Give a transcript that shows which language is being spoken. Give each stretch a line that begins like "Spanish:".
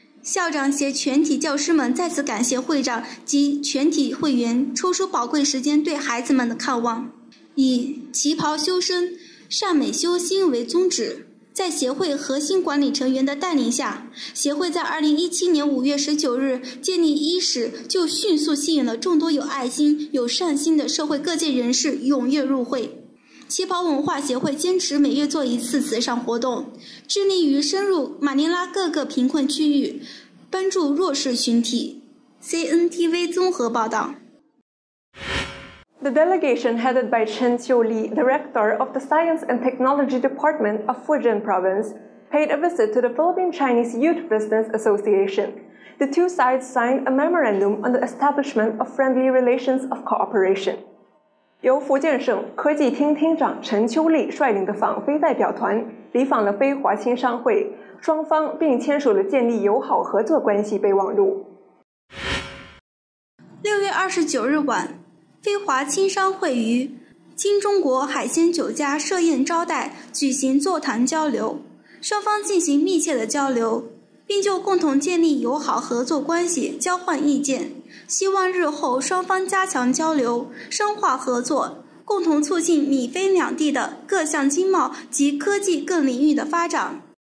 Chinese: 校长携全体教师们再次感谢会长及全体会员抽出宝贵时间对孩子们的看望，以旗袍修身、善美修心为宗旨，在协会核心管理成员的带领下，协会在2017年5月19日建立伊始，就迅速吸引了众多有爱心、有善心的社会各界人士踊跃入会。旗袍文化协会坚持每月做一次慈善活动，致力于深入马尼拉各个贫困区域，帮助弱势群体。 CNTV 综合报道。
English: The delegation headed by Chen Qiuli, director of the Science and Technology Department of Fujian Province, paid a visit to the Filipino-Chinese Youth Business Association. The two sides signed a memorandum on the establishment of friendly relations of cooperation.
Chinese: 由福建省科技厅厅长陈秋丽率领的访菲代表团离访了非华青商会，双方并签署了建立友好合作关系备忘录。 6月29日晚，非华青商会于金中国海鲜酒家设宴招待举行座谈交流，双方进行密切的交流，并就共同建立友好合作关系交换意见，希望日后双方加强交流，深化合作，共同促进米菲两地的各项经贸及科技各领域的发展。